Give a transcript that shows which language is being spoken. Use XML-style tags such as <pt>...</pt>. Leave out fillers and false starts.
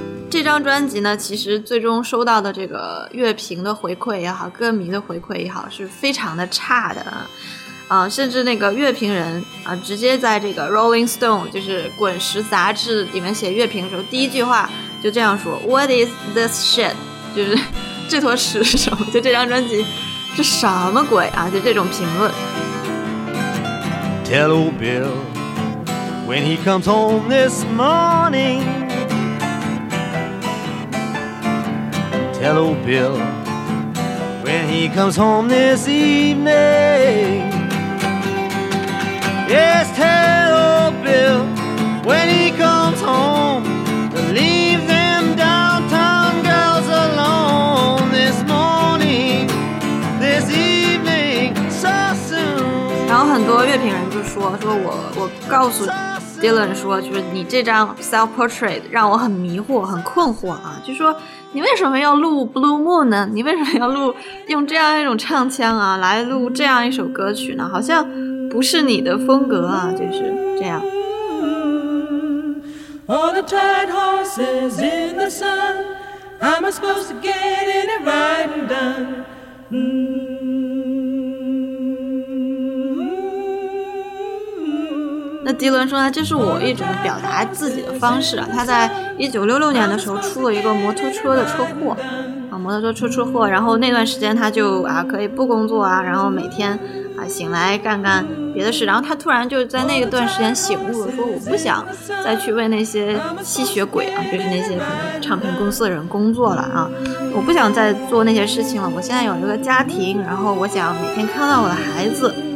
<zh>这张专辑呢，其实最终收到的这个乐评的回馈也好，歌迷的回馈也好，是非常的差的啊，甚至那个乐评人啊，直接在这个 Rolling Stone 就是滚石杂志里面写乐评的时候，第一句话就这样说</zh> <en>What is this shit?</en> <zh>就是这坨屎是什么？就这张专辑是什么鬼啊？就这种评论。</zh> <en>Tell old BillWhen he comes home this morning, tell old Bill. When he comes home this evening, yes, tell old Bill. When he comes home, to leave them downtown girls alone this morning, this evening, so soon.</en> <zh>然后很多乐评人就说我告诉。Dylan 说就是你这张 self portrait 让我很迷惑很困惑啊，就说你为什么要录 Blue Moon 呢，你为什么要录用这样一种唱腔啊来录这样一首歌曲呢，好像不是你的风格啊，就是这样。</zh> <en>All the tired horses in the sun, I'm supposed to get in it right and done. 那</en> <zh>迪伦说呢，这是我一种表达自己的方式啊。他在1966年的时候出了一个摩托车的车祸啊，摩托车车祸，然后那段时间他就啊可以不工作啊，然后每天啊醒来干别的事，然后他突然就在那段时间醒悟了，说我不想再去为那些吸血鬼啊，就是那些唱片公司的人工作了啊，我不想再做那些事情了，我现在有一个家庭，然后我想每天看到我的孩子。</zh>